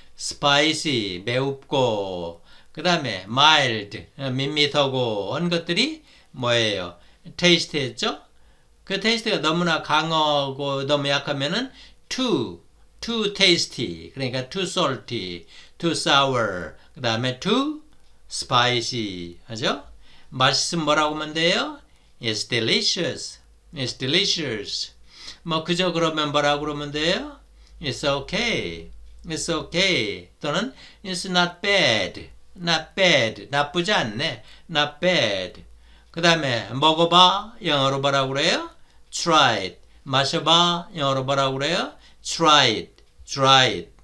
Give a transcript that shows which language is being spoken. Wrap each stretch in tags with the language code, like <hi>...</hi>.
<ko>Spicy, 매우고, 그 다음에 mild, 밋밋하고, 온 것들이 뭐예요? 테이스트였죠? 그 테이스트가 너무나 강하고 너무 약하면은</ko> <en>too tasty,</en> <ko>그러니까</ko> <en>too salty, too sour,</en> <ko>그 다음에</ko> <en>too spicy,</en> <ko>하죠? 맛있으면 뭐라고 하면 돼요?</ko> <en>It's delicious, it's delicious.</en> <ko>뭐 그저 그러면 뭐라고 그러면 돼요?</ko> <en>It's okay. It's okay.</en> <ko>또는</ko> <en>it's not bad. Not bad.</en> <ko>나쁘지 않네.</ko> <en>Not bad.</en> <ko>그 다음에 먹어봐. 영어로 뭐라고 그래요?</ko> <en>Try it.</en> <ko>마셔봐. 영어로 뭐라고 그래요? Try it. Try it.</ko>